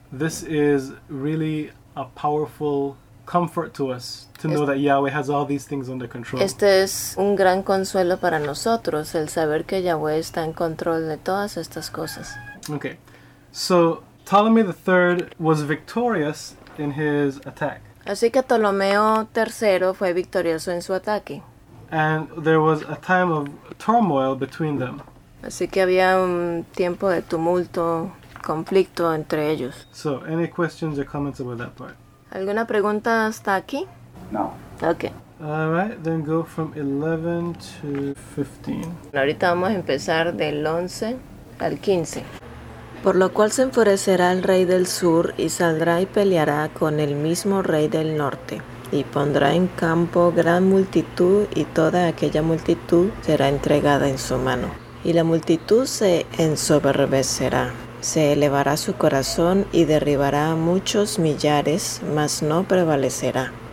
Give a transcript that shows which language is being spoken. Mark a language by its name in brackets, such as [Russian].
[English] This is really a powerful comfort to us to know that Yahweh has all these things under control. [Spanish] Este es un gran consuelo para nosotros, el saber que Yahweh está en control de todas estas cosas. [English] Okay, so Ptolemy III was victorious in his attack. [Spanish] Así que Ptolomeo III fue victorioso en su ataque. [English] And there was a time of turmoil between them. [Spanish] Así que había un tiempo de tumulto, conflicto entre ellos. [English] So, any questions or comments about that part? [Spanish] ¿Alguna pregunta hasta aquí? [English] No. Okay. All right, then go from 11 to 15. [Spanish] Ahorita vamos a empezar del 11 al 15. Por lo cual se enfurecerá el rey del sur y saldrá y peleará con el mismo rey del norte y pondrá en campo gran multitud y toda aquella multitud será entregada en su mano y la multitud se ensoberbecerá, se elevará su corazón y derribará a muchos millares, mas no prevalecerá.